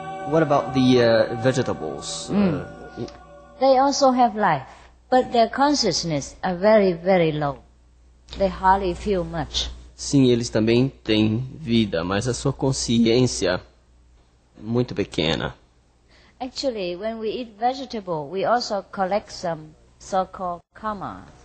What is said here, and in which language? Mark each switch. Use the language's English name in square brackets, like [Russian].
[English] What about the vegetables? They also have life, but their consciousness are very, very low. They hardly feel much. [Portuguese] Sim, eles também têm vida, mas a sua consciência muito pequena. [English] Actually, when we eat vegetable, we also collect some so-called karma.